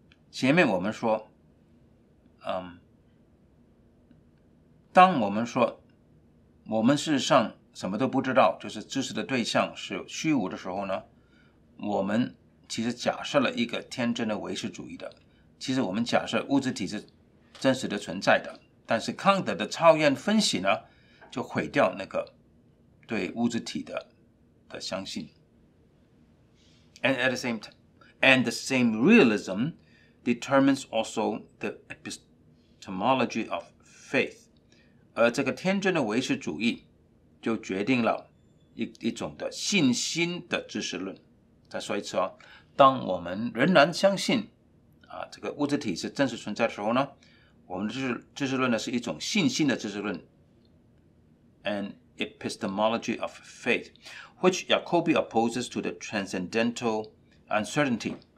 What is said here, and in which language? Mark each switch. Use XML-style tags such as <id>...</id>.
<zh>前面我们说，当我们说我们事实上什么都不知道，就是知识的对象是虚无的时候呢，我们其实假设了一个天真的唯识主义的。其实我们假设物质体是真实的存在的，但是康德的超验分析呢，就毁掉那个对物质体 的相信。</zh> <en>And at the same time, and the same realism determines also the epistemology of faith.</en> <zh>而这个天真的唯识主义就决定了 一种的信心的知识论。再说一次哦，当我们仍然相信这个物质体是真实存在的时候呢，我们的知识论呢是一种信心的知识论 ，</zh> <en>an epistemology of faith, which Jacobi opposes to the transcendental uncertainty。</en>